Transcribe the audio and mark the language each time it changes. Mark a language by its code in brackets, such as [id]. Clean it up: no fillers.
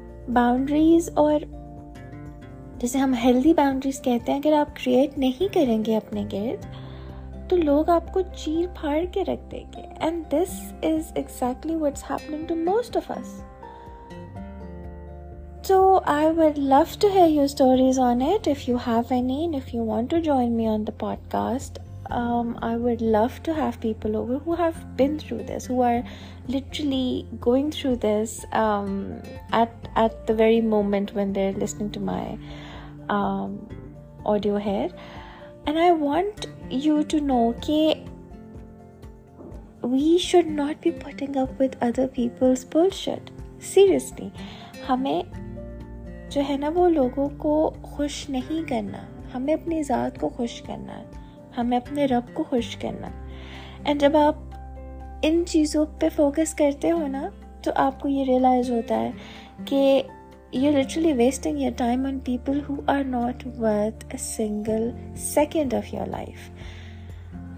[hi] Boundaries, और जैसे हम हेल्दी बाउंड्रीज कहते हैं, अगर आप क्रिएट नहीं करेंगे अपने गिर्द, तो लोग आपको चीर फाड़ के रख देंगे। [en] And this is exactly what's happening to most of us. So I would love to hear your stories on it if you have any, and if you want to join me on the podcast, I would love to have people over who have been through this, who are literally going through this at the very moment when they're listening to my audio here. And I want you to know ke we should not be putting up with other people's bullshit. [hi] Seriously, hame जो है ना वो लोगों को खुश नहीं करना, हमें अपनी ज़ात को खुश करना, हमें अपने रब को खुश करना। [en] and [hi] जब आप इन चीज़ों पे [en] focus [hi] करते हो ना, तो आपको ये [en] realise [hi] होता है कि [en] You literally wasting your time on people who are not worth a single second of your life.